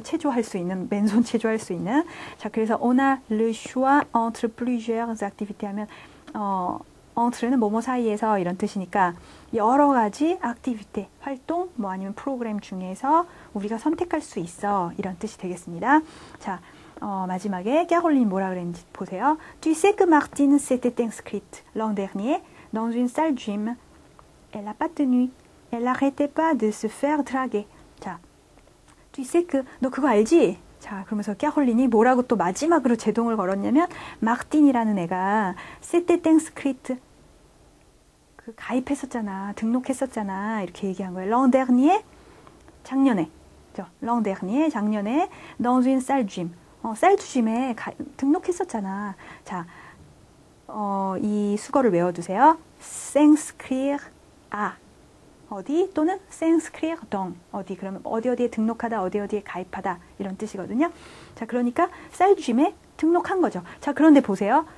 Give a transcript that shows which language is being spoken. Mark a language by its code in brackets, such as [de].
[ko] 체조할 수 있는 맨손 체조할 수 있는. 자, 그래서 [fr] on a le choix entre plusieurs activités [ko] 하면 entre는 뭐뭐 사이에서 이런 뜻이니까 여러 가지 액티비티 활동 뭐 아니면 프로그램 중에서 우리가 선택할 수 있어 이런 뜻이 되겠습니다. 자, 마지막에 캐롤린 뭐라 그랬는지 보세요. [fr] Tu sais que Martine s'était inscrite l'an dernier dans une salle gym. Elle a pas tenu. Elle arrêtait pas de se faire draguer. [ko] 자, [fr] Tu sais que [ko] 너 그거 알지? 자, 그러면서 캐롤린이 뭐라고 또 마지막으로 제동을 걸었냐면 마틴이라는 애가 [fr] s'était inscrite [ko] 그 가입했었잖아, 등록했었잖아 이렇게 얘기한 거예요. [fr] L'an dernier [ko] 작년에, 그죠? [fr] L'an dernier [ko] 작년에 [fr] dans une salle gym [ko] 셀프짐에 등록했었잖아. 자, 이 수거를 외워두세요. [fr] s'inscrire à [ko] 어디 또는 [fr] s'inscrire dans [ko] 어디, 그러면 어디 어디에 등록하다, 어디 어디에 가입하다 이런 뜻이거든요. 자, 그러니까 셀프짐에 등록한 거죠. 자, 그런데 보세요.